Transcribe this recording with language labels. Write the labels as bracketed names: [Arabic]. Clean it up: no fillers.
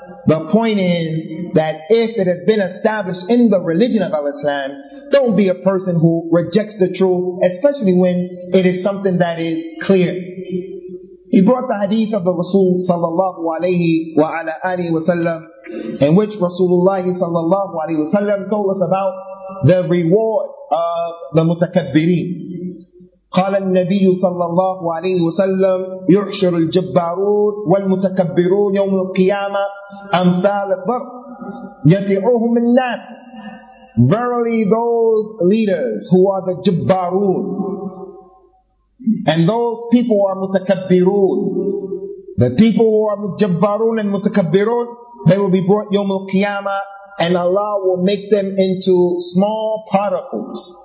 [English] The point is that if it has been established in the religion of al-Islam, don't be a person who rejects the truth, especially when it is something that is clear. He brought the hadith of the Rasul sallallahu alayhi wa ala alihi wa sallam, in which Rasulullah sallallahu alayhi wa sallam told us about the reward of the mutakabbirin. [Arabic] قال النبي صلى الله عليه وسلم يحشر الجبارون والمتكبرون يوم القيامة أمثال الضر يفعهم الناس. [English] Verily those leaders who are the jabbarun and those people who are mutakabbirun, the people who are jabbarun and mutakabbirun, they will be brought يوم القيامة and Allah will make them into small particles.